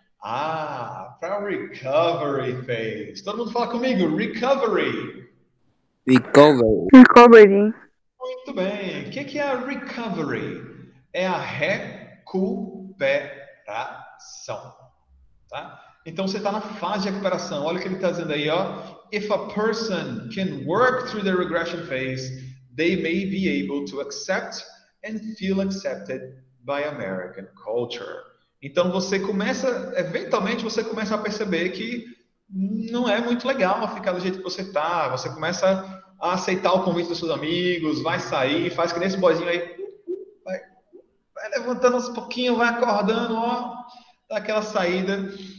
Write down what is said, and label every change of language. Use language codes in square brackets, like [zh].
[pt] Ah, para recovery phase. Todo mundo fala comigo, recovery. [en] Recovery. Recovery. [pt] Muito bem. O que é recovery? É a recuperação. Tá? Então você está na fase de recuperação. Olha o que ele está dizendo aí, ó. [en] If a person can work through the regression phase, they may be able to accept and feel accepted by American culture. [pt] Então você começa, eventualmente você começa a perceber que não é muito legal ficar do jeito que você está. Você começa a aceitar o convite dos seus amigos, vai sair, faz que nem esse boizinho aí, vai levantando uns pouquinho, vai acordando, ó, dá aquela saída.